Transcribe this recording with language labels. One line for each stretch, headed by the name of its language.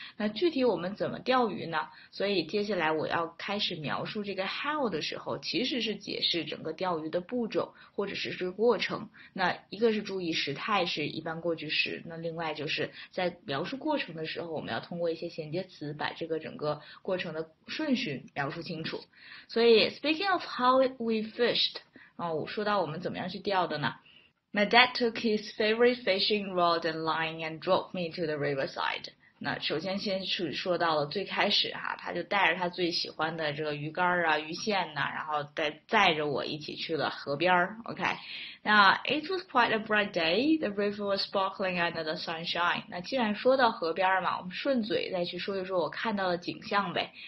Chinese: 那具体我们怎么钓鱼呢？所以接下来我要开始描述这个 how 的时候，其实是解释整个钓鱼的步骤或者是这个过程。那一个是注意时态是一般过去时，那另外就是在描述过程的时候，我们要通过一些衔接词把这个整个过程的顺序描述清楚。所以
English: speaking of how we fished。
Chinese: 哦，我说到我们怎么样去钓的呢？
English: My dad took his favorite fishing rod and line and drove me to the riverside。
Chinese: 那首先先去说到了最开始哈，他就带着他最喜欢的这个鱼竿啊、鱼线呐、然后载着我一起去了河边儿。
English: OK，Now it was quite a bright day. The river was sparkling under the sunshine。
Chinese: 那既然说到河边儿嘛，我们顺嘴再去说一说我看到的景象呗。